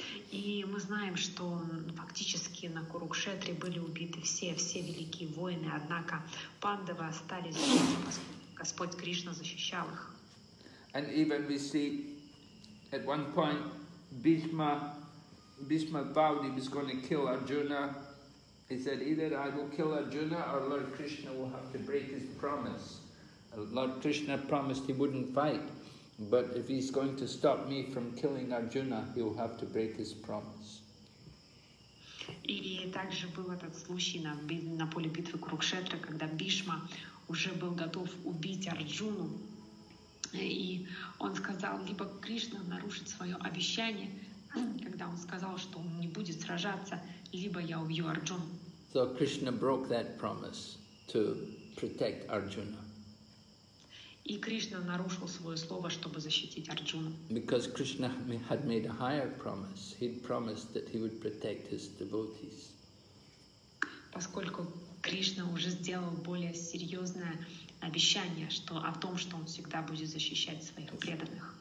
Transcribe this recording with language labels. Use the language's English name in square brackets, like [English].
[Russian] И мы знаем, что фактически на Курукшетре были убиты все великие воины, однако Пандавы остались живы, Господь Кришна защищал их. [English] And even we see at one point Bhishma vowed he was going to kill Arjuna. He said, either I will kill Arjuna or Lord Krishna will have to break his promise. Lord Krishna promised he wouldn't fight, but if he's going to stop me from killing Arjuna, he will have to break his promise. [Russian] И также был этот случай на поле битвы Курукшетра, когда Бишма уже был готов убить Арджуну. И он сказал, либо Кришна нарушит свое обещание, когда он сказал, что он не будет сражаться, либо я убью Арджуну. [English] So Krishna broke that promise to protect Arjuna. [Russian] И Кришна нарушил свое слово, чтобы защитить Арджуну. [English] Because Krishna had made a higher promise. He'd promised that he would protect his devotees. [Russian] Поскольку Кришна уже сделал более серьезное обещание, что о том, что он всегда будет защищать своих преданных.